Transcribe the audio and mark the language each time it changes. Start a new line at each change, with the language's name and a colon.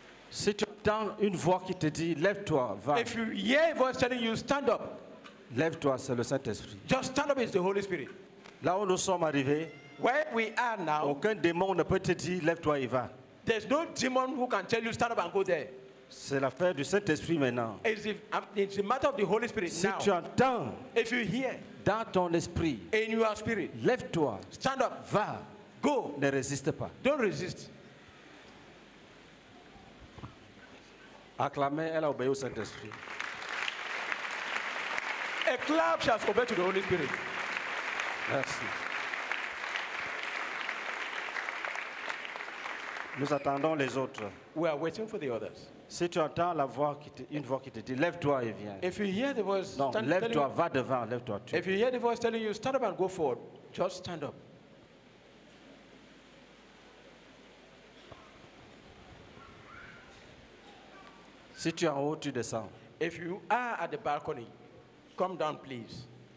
French: Si tu entends une voix qui te dit lève-toi, va.
English: If you hear a voice telling you stand up.
French: Lève-toi, c'est le Saint-Esprit.
English: Just stand up is the Holy Spirit.
French: Là où nous sommes arrivés.
English: Where we are now.
French: Aucun démon ne peut te dire lève-toi et va.
English: There's no demon who can tell you stand up and go there.
French: C'est l'affaire du Saint-Esprit maintenant.
English: It's a matter of the Holy Spirit
French: si
English: now.
French: Si tu entends.
English: If you hear.
French: Dans ton esprit.
English: In your spirit.
French: Lève-toi.
English: Stand up.
French: Va.
English: Go.
French: Ne résiste pas.
English: Don't resist.
French: Acclamer, elle a obéi au Saint-Esprit.
English: A clap, she has obeyed to the Holy Spirit.
French: Merci. Nous attendons les autres.
English: We are waiting for the others.
French: Si tu entends la voix qui te, une voix qui te dit, lève-toi et viens.
English: If you hear the voice,
French: non, lève-toi, va devant, lève-toi.
English: If you hear the voice telling you stand up and go forward, just stand up.
French: Si tu es en haut, tu descends.
English: If you are at the balcony, come down, please.